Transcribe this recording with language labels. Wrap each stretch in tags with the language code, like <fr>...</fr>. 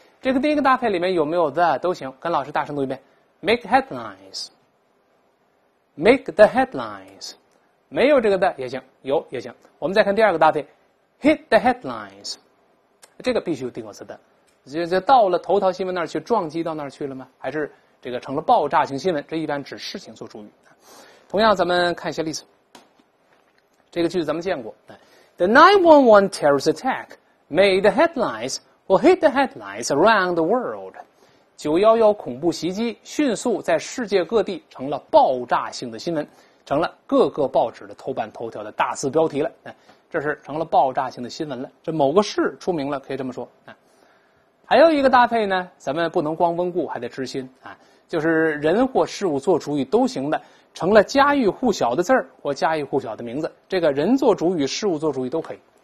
<zh>这个第一个搭配里面有没有 the 都行，跟老师大声读一遍</zh> <en>make headlines， make the headlines，</en> <zh>没有这个 the 也行，有也行。我们再看第二个搭配</zh> <en>hit the headlines，</en> <zh>这个必须有定冠词的，就到了头条新闻那儿去，撞击到那儿去了吗？还是这个成了爆炸性新闻？这一般指事情做主语。同样，咱们看一些例子。这个句子咱们见过。</zh> <en>The 911 terrorist attack made the headlines or hit the headlines around the world.</en> <zh>911恐怖袭击迅速在世界各地成了爆炸性的新闻，成了各个报纸的头版头条的大字标题了。这是成了爆炸性的新闻了。这某个市出名了，可以这么说。还有一个搭配呢，咱们不能光温故，还得知新啊，就是人或事物做主语都行的，成了家喻户晓的字儿或家喻户晓的名字，这个人做主语、事物做主语都可以。</zh>